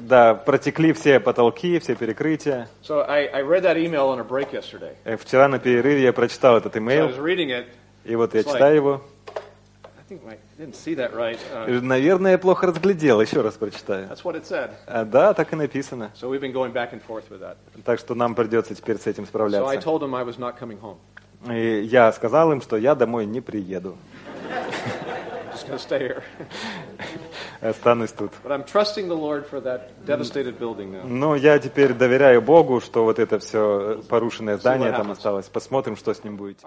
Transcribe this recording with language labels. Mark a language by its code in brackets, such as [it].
[ru] Да, протекли все потолки, все перекрытия. [en] So I read that email on a break yesterday. [ru] Вчера на перерыве я прочитал этот email. [en] So I was reading it. [ru] И вот я читаю его. [en] I didn't see that right. [ru] Наверное, я плохо разглядел. Еще раз прочитаю. [en] That's what it said. [ru] Да, так и написано. [en] So we've been going back and forth with that. [ru] Так что нам придется теперь с этим справляться. [en] So I told him I was not coming home. [ru] И я сказал им, что я домой не приеду. [en] Just gonna stay here. [ru] Останусь тут. [en] But I'm trusting the Lord for that devastated building now. [ru] Ну, я теперь доверяю Богу, что вот это все порушенное здание там осталось. Посмотрим, что с ним будет.